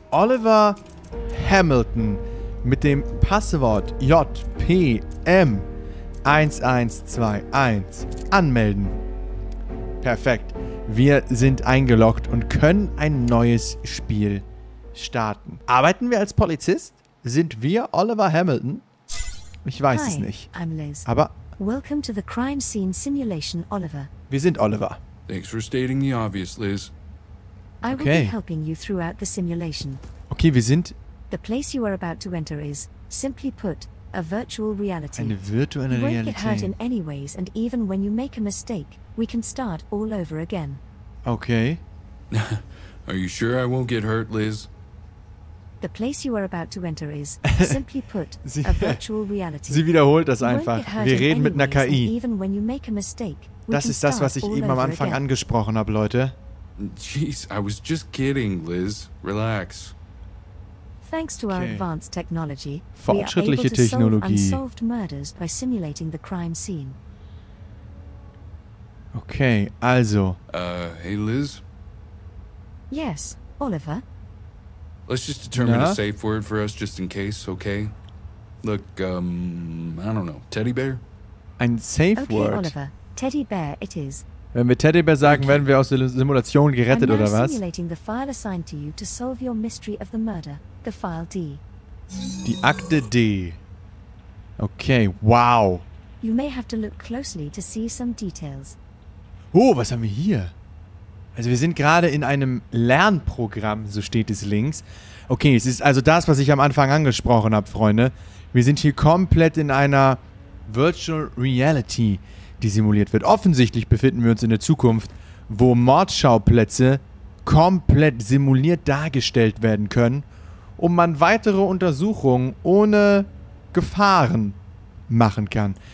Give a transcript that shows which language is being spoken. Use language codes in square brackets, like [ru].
[de] Oliver Hamilton mit dem Passwort JPM1121 anmelden. Perfekt. Wir sind eingeloggt und können ein neues Spiel starten. Arbeiten wir als Polizist? Sind wir Oliver Hamilton? Ich weiß [en] Hi, [de] es nicht. [en] I'm Liz. [de] Aber [en] Welcome to the crime scene simulation, Oliver. [de] Wir sind Oliver. [en] Thanks for stating the obvious, Liz. I will be helping you throughout the simulation. [de] Okay, wir sind [en] The place you are about to enter is, simply put, a virtual reality. [de] Eine virtuelle Realität. [en] You won't get hurt in any ways, and even when you make a mistake, we can start all over again. [de] Okay. [en] Are you sure I won't get hurt, Liz? The place you are about to enter is, simply put, a virtual reality. [de] Sie wiederholt das einfach. Wir reden mit einer KI. [en] Even when you make a mistake, [de] das ist das, was ich eben am Anfang angesprochen habe, Leute. [en] Jeez, I was just kidding, Liz. Relax. Thanks to our advanced technology, [de] fortschrittliche Technologie. [en] We are able to solve unsolved murders by simulating the crime scene. [de] Okay, also. [en] Hey, Liz? Yes, Oliver? Let's just determine a safe word for us just in case, okay? Look, I don't know. Teddy bear? [de] Ein safe word? [en] Okay, Oliver. Teddy bear it is. [de] Wenn wir Teddy bear sagen, werden wir aus der Simulation gerettet, oder was? [en] I'm simulating the file assigned to you to solve your mystery of the murder, the file D. [de] Die Akte D. Okay, wow. [en] You may have to look closely to see some details. [de] Oh, was haben wir hier? Also wir sind gerade in einem Lernprogramm, so steht es links. Okay, es ist also das, was ich am Anfang angesprochen habe, Freunde. Wir sind hier komplett in einer Virtual Reality, die simuliert wird. Offensichtlich befinden wir uns in der Zukunft, wo Mordschauplätze komplett simuliert dargestellt werden können, um man weitere Untersuchungen ohne Gefahren machen kann.